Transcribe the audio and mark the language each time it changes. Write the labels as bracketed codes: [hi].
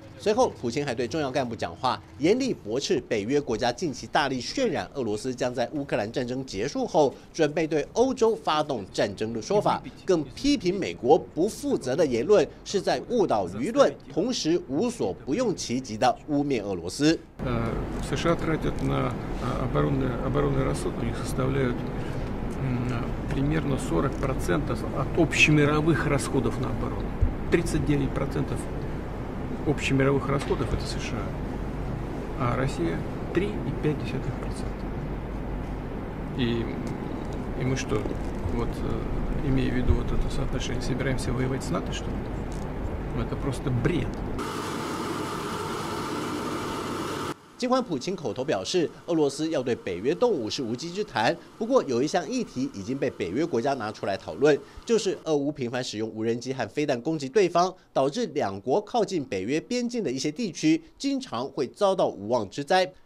[zh] 随后普京还对重要干部讲话，严厉驳斥北约国家近期大力渲染俄罗斯将在乌克兰战争结束后准备对欧洲发动战争的说法，更批评美国不负责的言论是在误导舆论，同时无所不用其极的污蔑俄罗斯。 [ru] США тратят на оборонные расходы, они составляют примерно 40% от общемировых расходов на оборону. 39%общемировых расходов это США, а Россия 3,5%. И мы что, вот имея в виду вот это соотношение, собираемся воевать с НАТО, что ли? Это просто бред. [zh] 尽管普京口头表示俄罗斯要对北约动武是无稽之谈，不过有一项议题已经被北约国家拿出来讨论，就是俄乌频繁使用无人机和飞弹攻击对方，导致两国靠近北约边境的一些地区经常会遭到无妄之灾。